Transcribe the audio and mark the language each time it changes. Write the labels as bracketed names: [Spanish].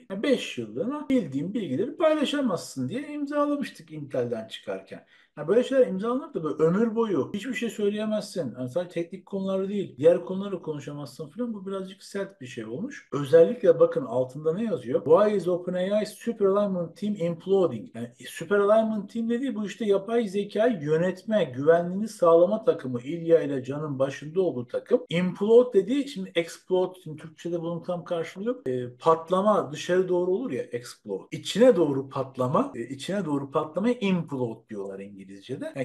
[Turkish] Yani 5 yıllığına bildiğim bilgileri paylaşamazsın diye imzalamıştık Intel'den çıkarken. Yani böyle şeyler imzalanır da böyle ömür boyu hiçbir şey söyleyemezsin. Yani sadece teknik konuları değil, diğer konuları konuşamazsın falan. Bu birazcık sert bir şey olmuş. Özellikle bakın altında ne yazıyor? [English] Why is OpenAI Super Alignment Team imploding? [Turkish] Yani Super Alignment Team dediği bu işte yapay zeka yönetme, güvenliğini sağlama takımı, İlya ile Can'ın başında olduğu takım. Implode dediği şimdi explode, şimdi Türkçe'de bunun tam karşılığı yok. Patlama dışarı doğru olur ya, explode. İçine doğru patlama, içine doğru patlamaya implode diyorlar İngilizce'de.